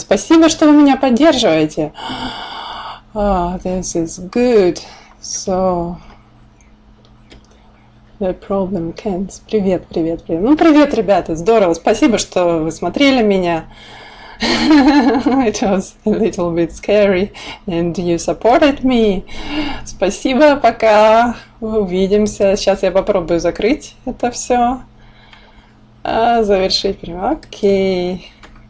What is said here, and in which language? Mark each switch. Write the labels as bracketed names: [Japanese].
[Russian] Спасибо, что вы меня поддерживаете. [English] Oh, this is good. So, the problem can't. [Russian] Привет. Ну, привет, ребята. Здорово. Спасибо, что вы смотрели меня. [English] It was a little bit scary, and you supported me. [Russian] Спасибо, пока. Увидимся. Сейчас я попробую закрыть это все. Завершить прямо. Окей. [English] Okay.